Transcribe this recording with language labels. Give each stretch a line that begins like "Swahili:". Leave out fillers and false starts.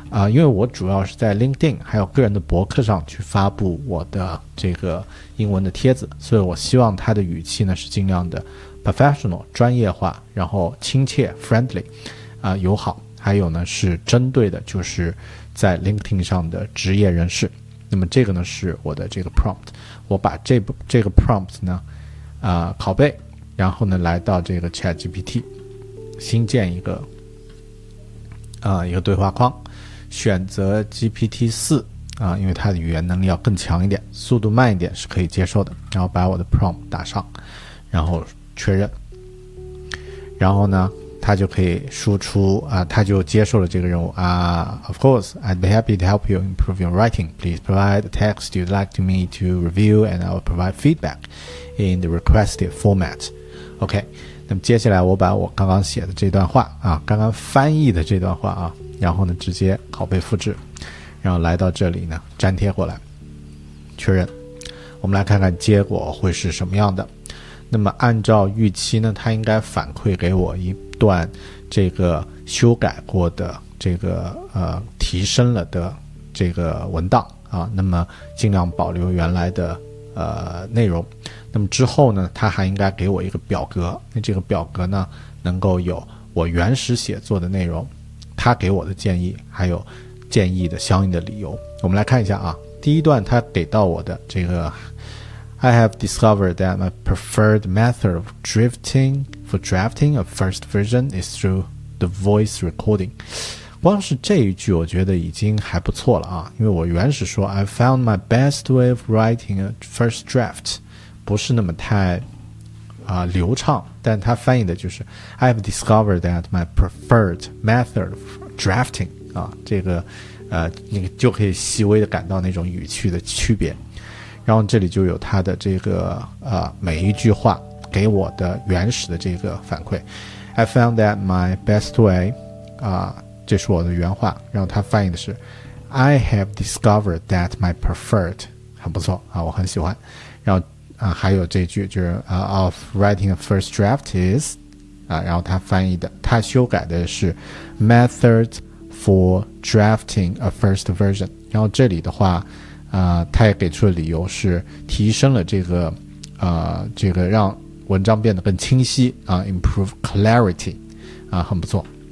Chinese: 因为我主要是在 LinkedIn 还有个人的博客上去发布我的这个英文的帖子，所以我希望它的语气呢是尽量的 professional 专业化，然后亲切 friendly， 友好。还有呢是针对的就是在 LinkedIn 上的职业人士。那么这个呢是我的这个 prompt， 我把这个 prompt 呢拷贝，然后呢来到这个 ChatGPT 新建一个对话框，选择 GPT-4 因为它的语言能力要更强一点，速度慢一点是可以接受的，然后把我的 prompt 打上，然后确认，然后呢他就可以输出啊，他就接受了这个任务啊。
English: Of course, I'd be happy to help you improve your writing. Please provide the text you'd like to me to review, and I'll provide feedback in the requested format.
Chinese: OK, 那么接下来我把我刚刚写的这段话啊，刚刚翻译的这段话啊，然后呢直接拷贝复制，然后来到这里呢粘贴过来，确认。我们来看看结果会是什么样的。那么按照预期呢，他应该反馈给我一段这个修改过的这个提升了的这个文档啊，那么尽量保留原来的内容。那么之后呢，他还应该给我一个表格，那这个表格呢能够有我原始写作的内容，他给我的建议，还有建议的相应的理由。我们来看一下啊，第一段他给到我的这个
English: I have discovered that my preferred method of drifting for drafting a first version is through the voice recording.
Chinese: 光是这一句我觉得已经还不错了啊，因为我原始说
English: I found my best way of writing a first draft
Chinese: 不是那么太流畅，但它翻译的就是
English: I have discovered that my preferred method of drafting
Chinese: 啊，这个你就可以细微的感到那种语气的区别，然后这里就有他的这个每一句话给我的原始的这个反馈。
English: I found that my best way,
Chinese: 这是我的原话，然后他翻译的是
English: I have discovered that my preferred,
Chinese: 很不错啊，我很喜欢。然后还有这句就是
English: of writing a first draft is,
Chinese: 然后他翻译的他修改的是
English: method for drafting a first version,
Chinese: 然后这里的话他也给出的理由是提升了这个让文章变得更清晰啊 ,
English: improve clarity,
Chinese: 很不错。